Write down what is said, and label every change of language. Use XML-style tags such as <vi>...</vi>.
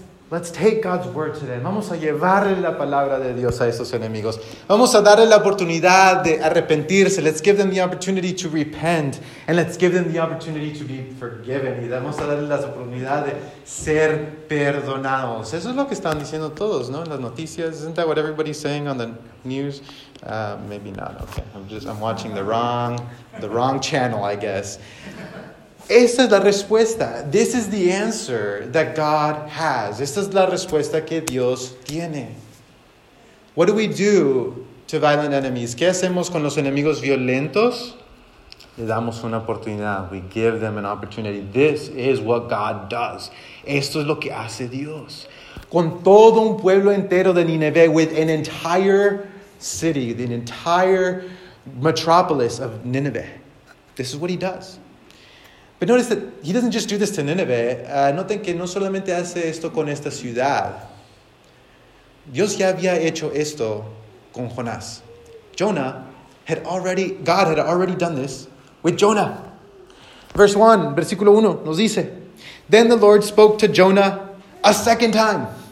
<en>Let's take God's word to them.</en> <es>Vamos a llevarle la palabra de Dios a esos enemigos. Vamos a darle la oportunidad de arrepentirse.</es> <en>Let's give them the opportunity to repent. And let's give them the opportunity to be forgiven.</en> <es>Y vamos a darle la oportunidad de ser perdonados. Eso es lo que están diciendo todos, ¿no? En las noticias.</es> <en>Isn't that what everybody's saying on the news? Maybe not. Okay. I'm watching the wrong channel, I guess.</en> <es>Esa es la respuesta.</es> <en>This is the answer that God has.</en> <es>Esta es la respuesta que Dios tiene.</es> <en>What do we do to violent enemies?</en> <es>¿Qué hacemos con los enemigos violentos? Le damos una oportunidad.</es> <en>We give them an opportunity. This is what God does.</en> <es>Esto es lo que hace Dios. Con todo un pueblo entero de Nineveh,</es> <en>with an entire city, the entire metropolis of Nineveh. This is what he does. But notice that he doesn't just do this to Nineveh.</en> <es>Noten que no solamente hace esto con esta ciudad. Dios ya había hecho esto con Jonás.</es> <en>God had already done this with Jonah. Verse 1,</en> <es>versículo 1, nos dice,</es> <en>then the Lord spoke to Jonah a second time.</en>